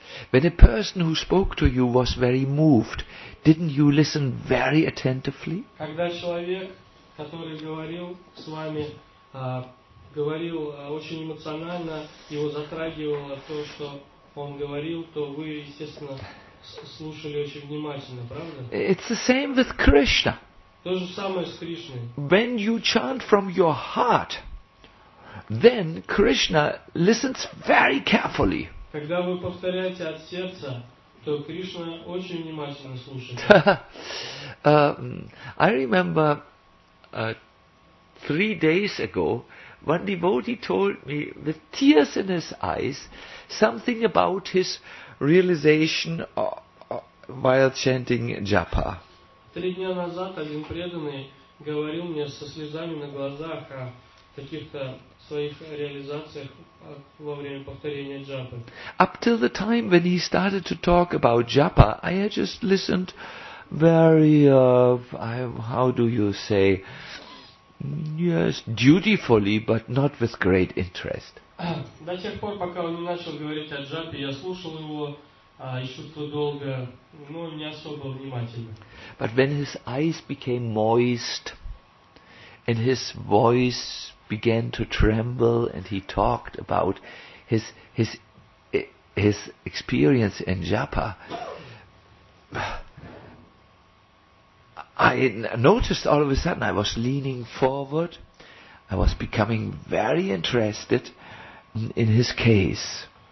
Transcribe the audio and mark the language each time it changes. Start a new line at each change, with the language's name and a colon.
English: When a person who spoke to you was very moved, didn't you listen very attentively?
Russian: Когда человек, который говорил с вами, говорил очень эмоционально, его затрагивало то, что он говорил, то вы, естественно, слушали очень внимательно, правда?
English: It's the same with Krishna.
Russian: То же самое с Кришной.
English: When you chant from your heart, then Krishna listens very carefully.
Russian: Когда вы повторяете от сердца, то Кришна очень внимательно слушает.
English: I remember 3 days ago, one devotee told me with tears in his eyes something about his realization while chanting japa.
Russian: 3 дня назад один преданный говорил мне со слезами на глазах о каких-то своих реализациях во время повторения джапы.
English: Up till the time when he started to talk about japa, I had just listened very, dutifully, but not with great interest.
Russian: До тех пор, пока он не начал говорить о джапе, я слушал его еще долго, но не особо внимательно.
English: But when his eyes became moist and his voice began to tremble and he talked about his experience in japa, I noticed all of a sudden I was leaning forward, I was becoming very interested in his case.